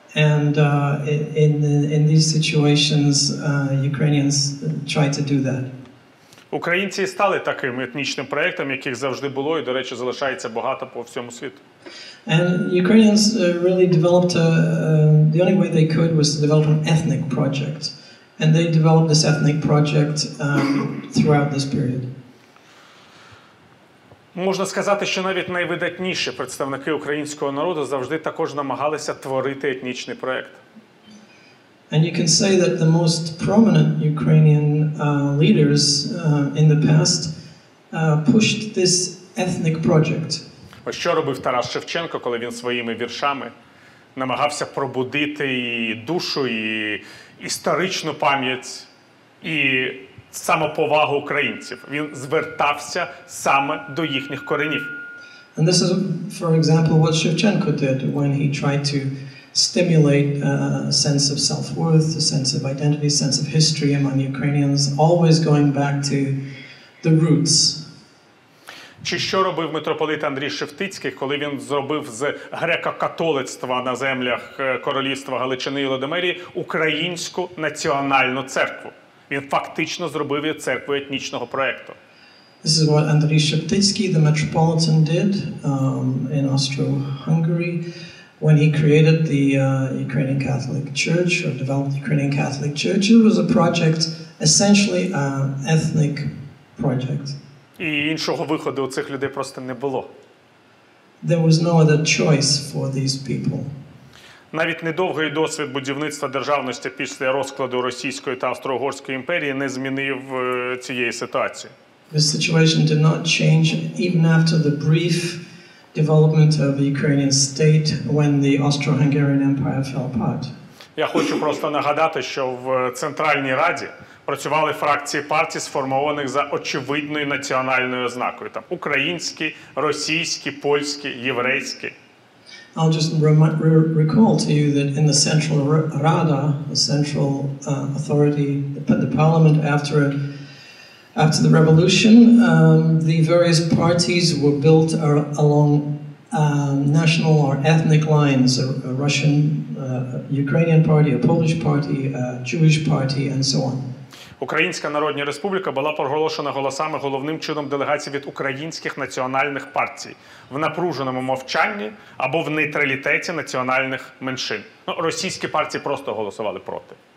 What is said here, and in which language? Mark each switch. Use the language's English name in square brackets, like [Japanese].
[English] And in these situations, Ukrainians try to do that. [Ukrainian] Українці стали таким етнічним проектом, яких завжди було і, до речі, залишається багато по всьому світу. [English] And Ukrainians really developed the only way they could was to develop an ethnic project. And they developed this ethnic project throughout this period. [Ukrainian] Можна сказати, що навіть найвидатніші представники українського народу завжди також намагалися творити етнічний проект. [English] And you can say that the most prominent Ukrainian leaders in the past pushed this ethnic project. [Ukrainian] Що робив Тарас Шевченко, коли він своїми віршами намагався пробудити і душу, і історичну пам'ять, і самоповагу українців? Він звертався саме до їхніх коренів. [English] And this is, for example, what Shevchenko did when he tried to stimulate a sense of self-worth, a sense of identity, a sense of history among Ukrainians, always going back to the roots. [Ukrainian] Чи що робив митрополит Андрій Шевтицький, коли він зробив з греко-католицтва на землях Королівства Галичини і Володимирії українську національну церкву? Він фактично зробив її церквою етнічного проєкту. [English] This is what Andriy Sheptytsky, the Metropolitan, did in Austro-Hungary when he created the Ukrainian Catholic Church, or developed the Ukrainian Catholic Church. It was a project, essentially an ethnic project. [Ukrainian] І іншого виходу у цих людей просто не було. [English] There was no other choice for these people. [Ukrainian] Навіть недовгий досвід будівництва державності після розкладу Російської та Австро-Угорської імперії не змінив цієї ситуації. [English] The situation did not change even after the brief development of the Ukrainian state when the Austro-Hungarian Empire fell apart. [Ukrainian] Я хочу просто нагадати, що в Центральній Раді працювали фракції партій, сформованих за очевидною національною ознакою. Там українські, російські, польські, єврейські. [English] I'll just recall to you that in the Central Rada, the central authority, the parliament after it, after the revolution, the various parties were built along national or ethnic lines, a Russian, Ukrainian party, a Polish party, a Jewish party, and so on. [Ukrainian] Українська Народна Республіка була проголошена голосами головним чином делегацій від українських національних партій в напруженому мовчанні або в нейтралітеті національних меншин. Ну, російські партії просто голосували проти.